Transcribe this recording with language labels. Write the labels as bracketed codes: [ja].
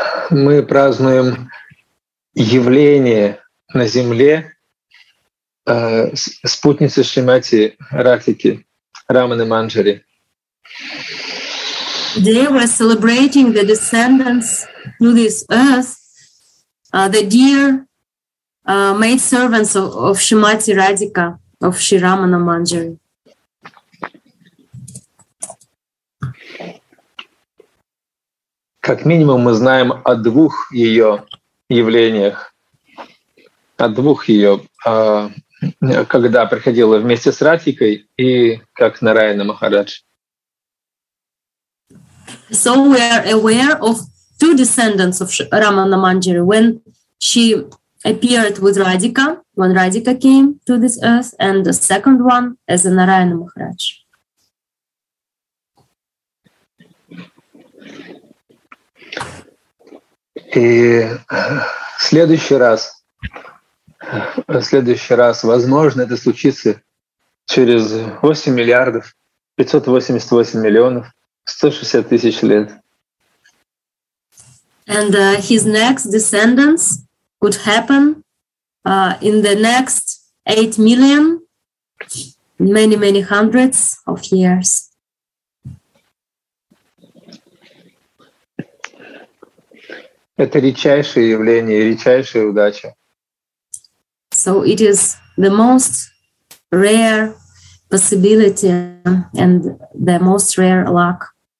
[ru] Мы празднуем явление на земле спутницы Шримати Ратхики Раманы Манджари. [en] They were celebrating the descendants to this earth, the dear maid servants of Shrimati Radhika, of Shri Ramana Manjari. [ru] Как минимум мы знаем о двух ее явлениях, о двух ее, когда приходила вместе с Ратхикой и как Нараяна Махарадж. [en] So we are aware of two descendants of Ramana Manjari, when she appeared with Radhika, when Radhika came to this earth, and the second one as a Нараяна Махарадж. [ru] И в следующий раз, возможно, это случится через 8 миллиардов 588 миллионов 160 тысяч лет. [en] And his next descendants could happen in the next 8 million many many hundreds of years. [ru] Это редчайшее явление, редчайшая удача. [en] So it is the most rare possibility and the most rare luck.